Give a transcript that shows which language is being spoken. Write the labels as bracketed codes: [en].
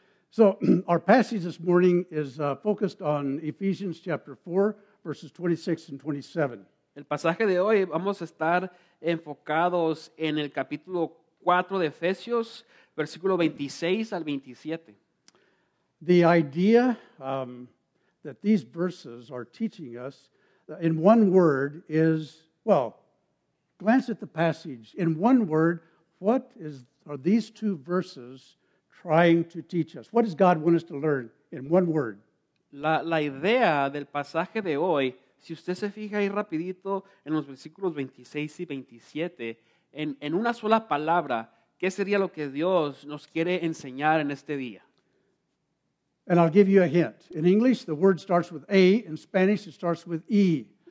[en] So our passage this morning is focused on Ephesians chapter 4, verses 26 and 27. [es] El pasaje de hoy vamos a estar enfocados en el capítulo 4 de Efesios, versículo 26 al 27. [en] The idea that these verses are teaching us in one word is, well, glance at the passage. In one word, what are these two verses trying to teach us? What does God want us to learn in one word? [es] La idea del pasaje de hoy, si usted se fija ahí rapidito en los versículos 26 y 27, en una sola palabra, ¿qué sería lo que Dios nos quiere enseñar en este día? [en] And I'll give you a hint. In English, the word starts with A. In Spanish, it starts with E.